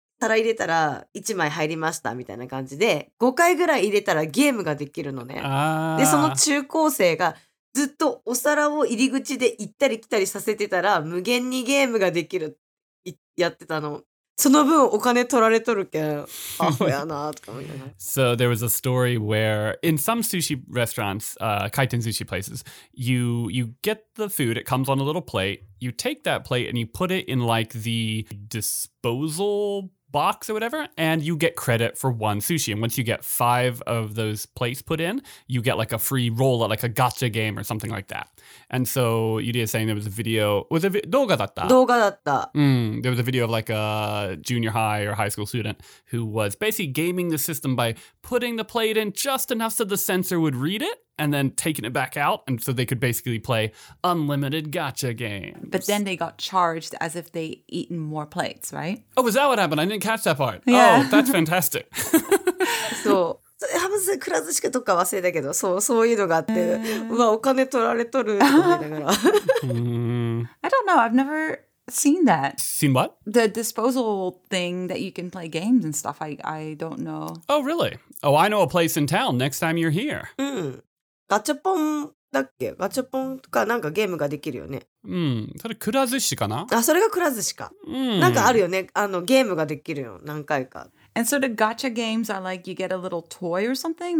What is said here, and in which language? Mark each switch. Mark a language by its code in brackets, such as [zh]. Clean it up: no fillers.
[ja] 皿入れたら1枚入りましたみたいな感じで5回ぐらい入れたらゲームができるのね。でその中高生がずっとお皿を入り口で行ったり来たりさせてたら無限にゲームができるやってたの。その分お金取られとるけん、アホやなとか思いながら。 [en] So there was a story where in some sushi restaurants, kaiten sushi places, you get the food, it comes on a little plate, you take that plate and you put it in like the disposal box or whatever, and you get credit for one sushi. And once you get five of those plates put in, you get like a free roll at like a gacha game or something like that. And so Yuri is saying there was a video, was it [ja] 動画だった? 動画だった. [en] There was a video of like a junior high or high school student who was basically gaming the system by putting the plate in just enough so the sensor would read it and then taking it back out. And so they could basically play unlimited gacha games. But then they got charged as if they eaten more plates, right? Oh, was that what happened? I didn't catch that part. Yeah. Oh, that's fantastic. So... [ja] ハムズクラズシクとか忘れたけど、そう、そういうのがあって、うわ、お金取られとるって思いながら。 [en] I don't know. I've never seen that. Seen what? The disposal thing that you can play games and stuff. I don't know. Oh, really? Oh, I know a place in town next time you're here. [ja] ガチャポンだっけ？ガチャポンとかなんかゲームができるよね。それくら寿司かな？あ、それがくら寿司か。なんかあるよね。あの、ゲームができるよ。何回か。 [en] And so the gacha games are like you get a little toy or something?